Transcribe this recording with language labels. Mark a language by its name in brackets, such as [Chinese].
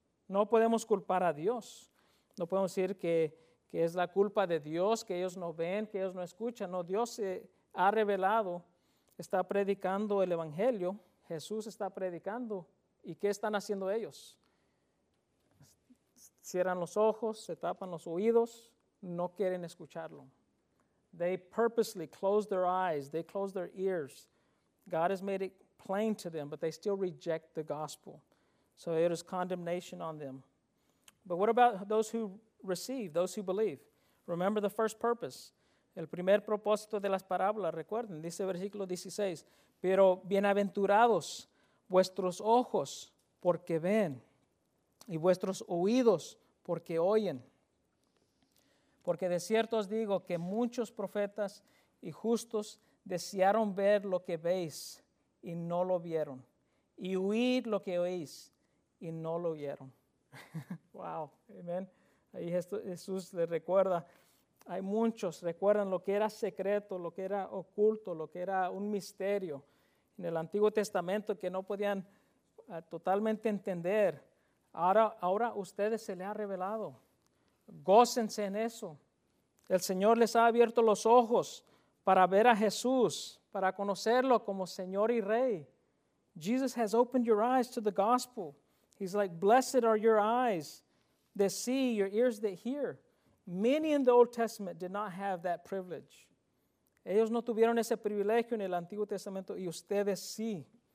[Spanish] No podemos culpar a Dios. No podemos decir que es la culpa de Dios, que ellos no ven, que ellos no escuchan. No, Dios se ha revelado, está predicando el evangelio. Jesús está predicando. ¿Y qué están haciendo ellos? Cierran los ojos, se tapan los oídos, no quieren escucharlo. [English] They purposely close their eyes, they close their ears. God has made it plain to them, but they still reject the gospel. So it is condemnation on them. But what about those who receive, those who believe? Remember the first purpose. [Spanish] El primer propósito de las parábolas, recuerden, dice versículo 16, pero bienaventurados vuestros ojos porque ven y vuestros oídos porque oyen. Porque de cierto os digo que muchos profetas y justos desearon ver lo que veis y no lo vieron, y oír lo que oís y no lo oyeron. Wow, amén. Ahí Jesús les recuerda. Hay muchos, recuerdan lo que era secreto, lo que era oculto, lo que era un misterio en el Antiguo Testamento que no podían totalmente entender. Ahora a ustedes se les ha revelado. Gócense en eso. El Señor les ha abierto los ojos para ver a Jesús, para conocerlo como Señor y Rey. [English] Jesus has opened your eyes to the gospel. He's like, blessed are your eyes that see, your ears that hear. Many in the Old Testament did not have that privilege. [Spanish] Ellos no tuvieron ese privilegio en el Antiguo Testamento, y ustedes sí.